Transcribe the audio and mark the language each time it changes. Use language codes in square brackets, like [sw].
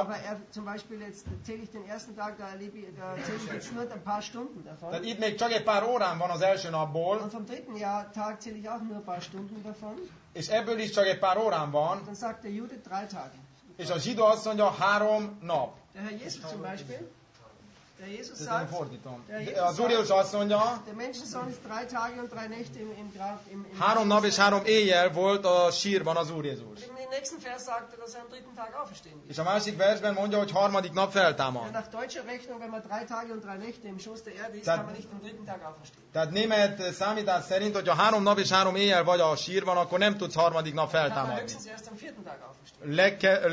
[de] Aber zum Beispiel jetzt zähle ich den ersten Tag, da zähle ich jetzt nur ein paar Stunden davon. [hu] Tehát itt még csak egy pár órán van az első napból. [de] Und vom dritten Tag zähle ich auch nur ein paar Stunden davon. [hu] És ebből is csak egy pár órán van. [de] Dann sagt der Jude 3 Tage. [hu] És a zsidó azt mondja 3 nap. [de] Der Herr Jesus zum Beispiel. Der Jesus sagt. [hu] Nem fordítom. Az Úr Jézus azt mondja. [de] Der Menschensohn ist 3 Tage und 3 Nächte im Grab. [hu] 3 nap és 3 éjjel volt a sírban az Úr Jézus. [de] Im nächsten Vers sagt er, dass er am dritten Tag auferstehen wird. [hu] És a másik versben mondja, hogy harmadik nap feltámad. [de] Nach deutscher Rechnung, wenn man 3 Tage und 3 Nächte im Schoß der Erde ist, kann man nicht am dritten Tag auferstehen. [hu] Tehát német számítás szerint, hogyha 3 nap és 3 éjjel vagy a sírban, akkor nem tudsz harmadik nap feltámadni. [de] Kann man höchstens erst am vierten Tag auferstehen.